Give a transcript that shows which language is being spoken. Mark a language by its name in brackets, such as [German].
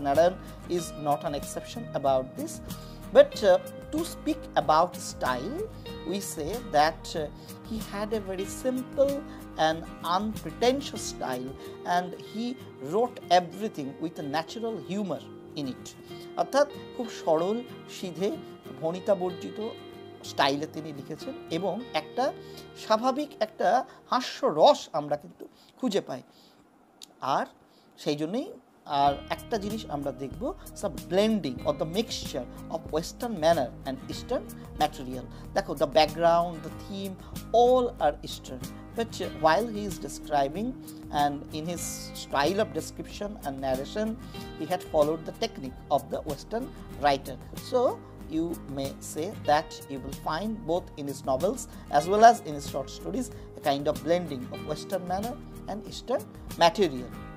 [English] Narayan is not an exception about this. But to speak about style, we say that he had a very simple and unpretentious style, and he wrote everything with a natural humor in it. [Bangla] অর্থাৎ খুব সরল সিধে ভণিতাবর্জিত স্টাইলে তিনি লিখেছেন এবং একটা স্বাভাবিক একটা হাস্যরস আমরা কিন্তু খুঁজে পাই। আর সেই জন্যই আর একটা জিনিস আমরা দেখব, [English] The blending or the mixture of western manner and eastern material. [Bangla] দেখো, [English] The background, the theme, all are eastern. But while he is describing, and in his style of description and narration, he had followed the technique of the Western writer. So you may say that you will find both in his novels as well as in his short stories a kind of blending of Western manner and Eastern material.